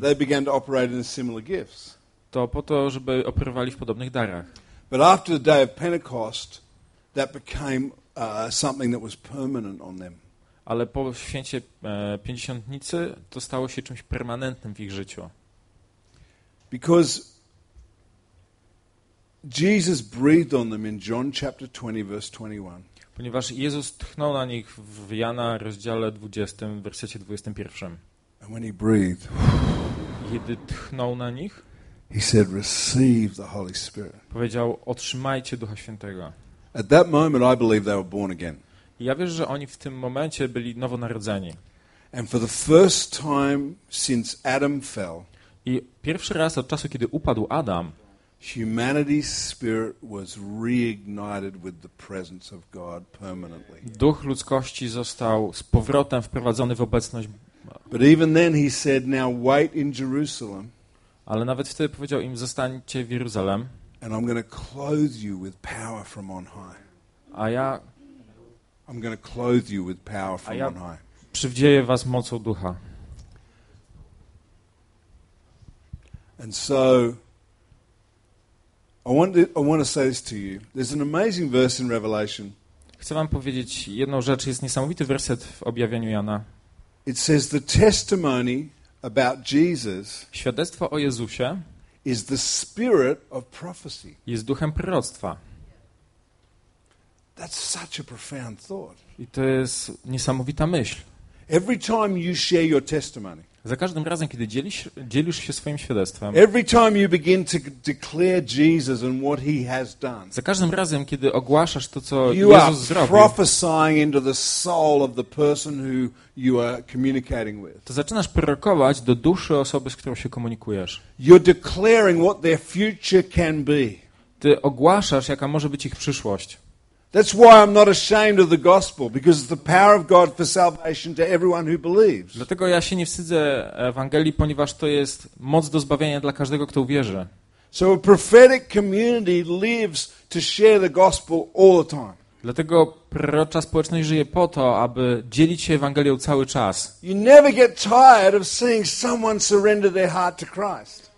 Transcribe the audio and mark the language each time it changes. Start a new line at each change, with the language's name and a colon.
English: they began to operate in similar gifts.
Polish: To po to, żeby operowali w podobnych darach.
English: But after the day of Pentecost, that became something that was permanent on them.
Polish: Ale po święcie pięćdziesiątnicy to stało się czymś permanentnym w ich życiu.
English: Because Jesus breathed on them in John chapter 20 verse 21.
Polish: Ponieważ Jezus tchnął na nich w Jana rozdziale 20, wersecie 21.
English: And when he breathed,
Polish: kiedy tchnął na nich,
English: he said, "Receive the Holy Spirit."
Polish: Powiedział: "Otrzymajcie Ducha Świętego."
English: At that moment, I believe they were born again.
Polish: I ja wierzę, że oni w tym momencie byli nowonarodzeni.
English: And for the first time since Adam fell,
Polish: i pierwszy raz od czasu, kiedy upadł Adam,
English: humanity's spirit was reignited with the presence of God permanently.
Polish: Duch ludzkości został z powrotem wprowadzony w obecność.
English: But even then he said, "Now wait in Jerusalem."
Polish: Ale nawet wtedy powiedział im: "Zostańcie w Jeruzalem."
English: And I'm going to clothe you with power from on high. I'm going to clothe you with power from on high.
Polish: Przywdzieję was mocą ducha.
English: And so I want to say this to you. There's an amazing verse in Revelation.
Polish: Chcę wam powiedzieć jedną rzecz. Jest niesamowity werset w objawieniu Jana.
English: It says the testimony about Jesus.
Polish: Świadectwo o Jezusie.
English: Is the spirit of prophecy.
Polish: Jest duchem proroctwa.
English: That's such a profound thought.
Polish: I to jest niesamowita myśl.
English: Every time you share your testimony.
Polish: Za każdym razem, kiedy dzielisz się swoim świadectwem.
English: Every time you begin to declare Jesus and what he has done.
Polish: Za każdym razem, kiedy ogłaszasz to, co Jezus zrobił.
English: Prophesying into the soul of the person who you are communicating with.
Polish: To zaczynasz prorokować do duszy osoby, z którą się komunikujesz.
English: You're declaring what their future can be.
Polish: Ty ogłaszasz, jaka może być ich przyszłość.
English: That's why I'm not ashamed of the gospel, because it's the power of God for salvation to everyone who believes.
Polish: Dlatego ja się nie wstydzę Ewangelii, ponieważ to jest moc do zbawienia dla każdego, kto uwierzy.
English: So a prophetic community lives to share the gospel all the time.
Polish: Dlatego prorocza społeczność żyje po to, aby dzielić się Ewangelią cały czas.
English: You never get tired of seeing someone surrender their heart to Christ.